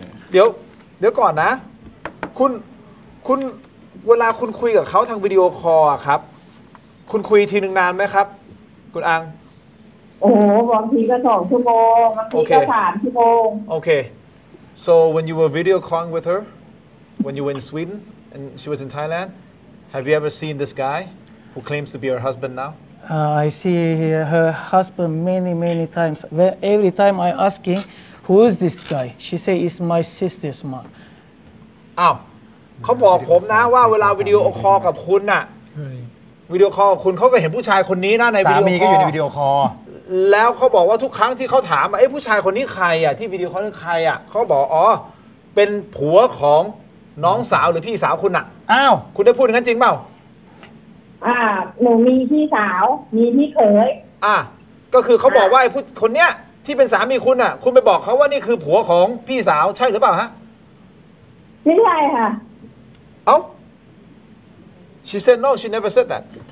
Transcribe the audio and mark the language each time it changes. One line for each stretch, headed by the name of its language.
Thai: เดี๋ยวเดี๋ยวก่อนนะคุณเวลาคุณคุยกับเขาทางวิดีโอคอลครับคุณคุยทีนึงนานไหมครับคุณอัง โอ้โหบางทีก็สองชั่วโมงบางทีก็สามชั่วโมง
English: โอเค so when you were video calling with her when you were in SwedenAnd she was in Thailand. Have you ever seen this guy who claims to be her husband now? I see her husband many, many times. Every time I ask him, who is this guy? She say, it's my sister's man. Oh, he told me that when I video call with you, video call with you, he also saw this guy in video call. His husband is in video call. And he said that every time he asked, who is this guy? Who is this video call? He said, oh, he's the husband of...
Thai: น้องสาวหรือพี่สาวคุณ อ ะ อ้าว คุณได้พูดงั้นจริงเปล่า หนูมีพี่สาวมีพี่เขย ก็คือเขาบอกว่าไอ้ผู้คนเนี้ยที่เป็นสามีคุณอะคุณไปบอกเขาว่านี่คือผัวของพี่สาวใช่หรือเปล่าฮะ ไม่ใช่ค่ะ
English: เอ้า she said no she never said that